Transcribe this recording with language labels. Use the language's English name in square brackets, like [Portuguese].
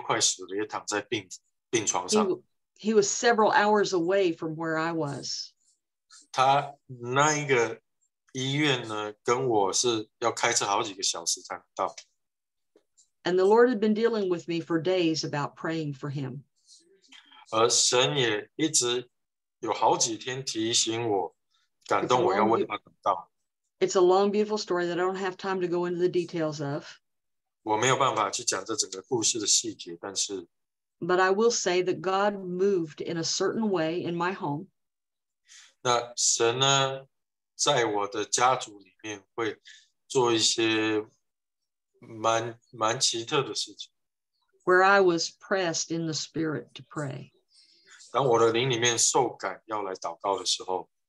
[Chinese] 我有一个堂弟，他当时几乎快死了，也躺在病床上。 [English] He was several hours away from where I was. [Chinese] 他那一个医院呢，跟我是要开车好几个小时才到。 [English] And the Lord had been dealing with me for days about praying for him. [Chinese] 而神也一直有好几天提醒我，感动我要为他祷告。 [English] It's a long, beautiful story that I don't have time to go into the details of. [Chinese] 我没有办法去讲这整个故事的细节，但是。 [English] But I will say that God moved in a certain way in my home. [Chinese] 那神呢，在我的家族里面会做一些。蛮奇特的事情。 [English] Where I was pressed in the spirit to pray. [Chinese] 当我的灵里面受感要来祷告的时候。